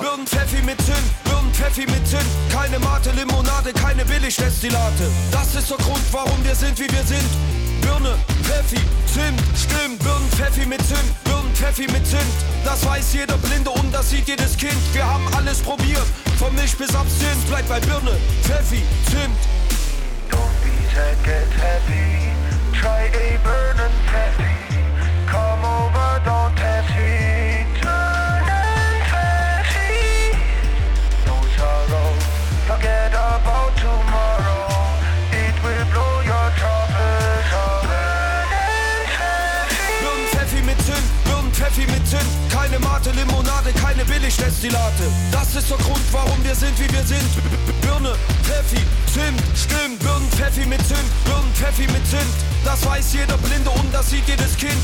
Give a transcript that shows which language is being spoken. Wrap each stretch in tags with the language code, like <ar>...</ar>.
<de>Birnenpfeffi mit Zimt, Birnenpfeffi mit Zimt. Keine Mate Limonade, keine Billigdestillate. Das ist der Grund, warum wir sind, wie wir sind. Birne, Pfeffi, Zimt, stimmt. Birnenpfeffi mit Zimt, Birnenpfeffi mit Zimt. Das weiß jeder Blinde und das sieht jedes Kind. Wir haben alles probiert, vom Milch bis Absinth. Bleibt bei Birne, Pfeffi, Zimt.</de> <en>Don't get heavy, try a burning peppy. Come over, don't heavy, turn and peppy. No sorrow, forget about tomorrow. It will blow your troubles up. Burn and peppy.</en> <de>Burn peppy mit Zimt, burn peppy mit Zimt. Keine Mate Limonade, keine Billigdestillate. Das ist der Grund, warum wir sind, wie wir sind. Birne, Pfeffi, Zimt, stimmt. Birne, Pfeffi mit Zimt, Birne, Pfeffi mit Zimt. Das weiß jeder Blinde und das sieht jedes Kind.</de>